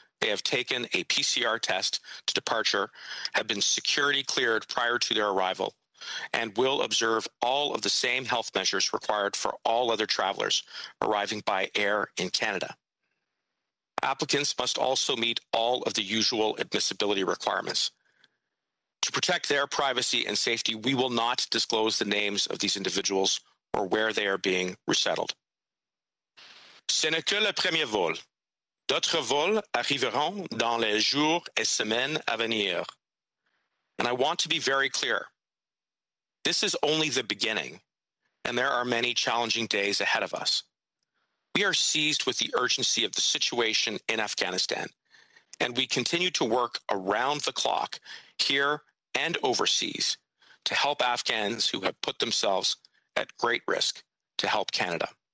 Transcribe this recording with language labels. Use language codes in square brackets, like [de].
[en] They have taken a PCR test to departure, have been security cleared prior to their arrival, and will observe all of the same health measures required for all other travelers arriving by air in Canada. Applicants must also meet all of the usual admissibility requirements. To protect their privacy and safety, we will not disclose the names of these individuals or where they are being resettled. [fr] Ce n'est que le premier vol. D'autres vols arriveront dans les jours et semaines à venir. [en] And I want to be very clear. This is only the beginning, and there are many challenging days ahead of us. We are seized with the urgency of the situation in Afghanistan, and we continue to work around the clock here and overseas to help Afghans who have put themselves at great risk to help Canada.